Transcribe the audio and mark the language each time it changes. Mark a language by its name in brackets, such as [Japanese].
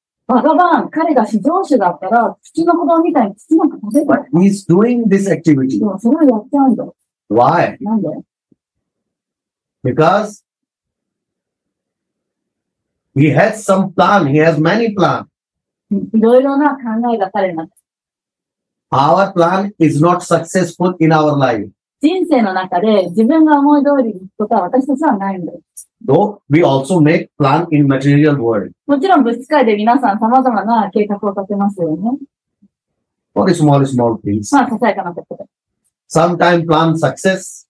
[Japanese] Bhagavan, 彼が至上主だったら、土の子供みたいに土なんか食べ [English] る。But he is doing this activity. [Japanese] そう、それやっちゃうんだ。 [English] Why? [Japanese] なんで? [English] Because he has some plan. He has many plans. [Japanese] いろいろな考えが彼の [English] Our plan is not successful in our life. [Japanese] 人生の中で自分が思い通りに行くことは私たちはないんです。 [English] Though we also make plan in material world. [Japanese] もちろん物質界で皆さん様々な計画を立てますよね。 [English] For small things. [Japanese] まあ、ささやかなことで。 [English] Sometimes plan success.